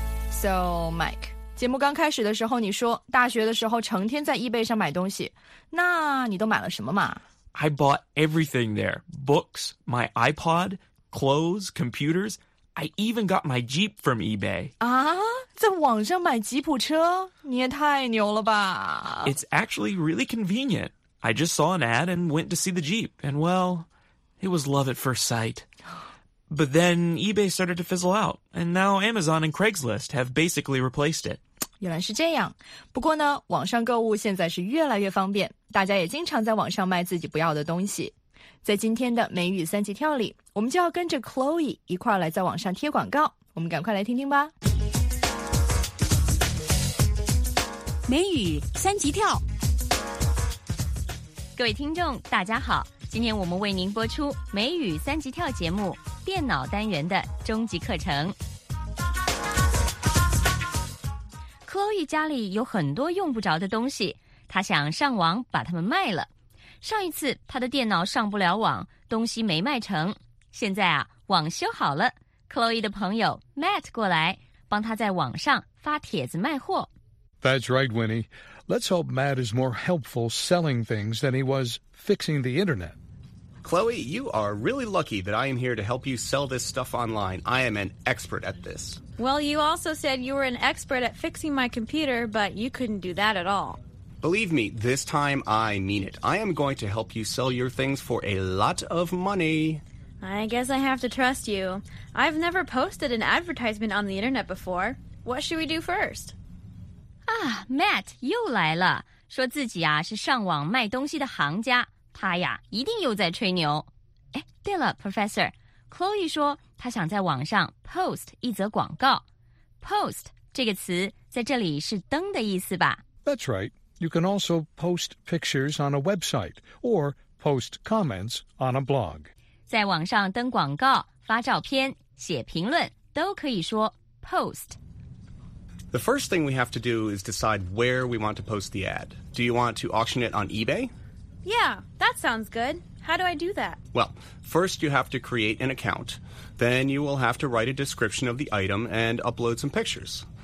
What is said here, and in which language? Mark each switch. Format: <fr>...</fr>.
<zh>So Mike， 节目刚开始的时候你说大学的时候成天在 eBay 上买东西，那你都买了什么嘛？</zh> <en>I bought everything there. Books, my iPod, clothes, computers. I even got my Jeep from eBay.</en> <zh>啊，在网上买吉普车，你也太牛了吧。</zh> <en>It's actually really convenient. I just saw an ad and went to see the Jeep. And well, it was love at first sight. But then eBay started to fizzle out. And now Amazon and Craigslist have basically replaced it.</en> <zh>原来是这样。不过呢，网上购物现在是越来越方便，大家也经常在网上卖自己不要的东西。在今天的美语三级跳里，我们就要跟着 Chloe 一块来在网上贴广告。我们赶快来听听吧。美语三级跳，各位听众大家好，今天我们为您播出美语三级跳节目电脑单元的终极课程。 Chloe 家里有很多用不着的东西，她想上网把它们卖了。上一次她的电脑上不了网，东西没卖成，现在啊网修好了， Chloe 的朋友 Matt 过来帮她在网上发帖子卖货。</zh> <en>That's right, Winnie. Let's hope Matt is more helpful selling things than he was fixing the internet. Chloe, you are really lucky that I am here to help you sell this stuff online. I am an expert at this. Well, you also said you were an expert at fixing my computer, but you couldn't do that at all. Believe me, this time I mean it. I am going to help you sell your things for a lot of money. I guess I have to trust you. I've never posted an advertisement on the internet before. What should we do first?</en> <zh>啊 ，Matt 又来了，说自己啊是上网卖东西的行家，他呀一定又在吹牛。哎，对了 ，Professor，Chloe 说他想在网上 post 一则广告。 post 这个词在这里是登的意思吧</zh> <en>？That's right. You can also post pictures on a website or post comments on a blog.</en> <zh>在网上登广告、发照片、写评论，都可以说 post。</zh> <en>The first thing we have to do is decide where we want to post the ad. Do you want to auction it on eBay? Yeah, that sounds good. How do I do that? Well, first you have to create an account. Then you will have to write a description of the item and upload some pictures.</en>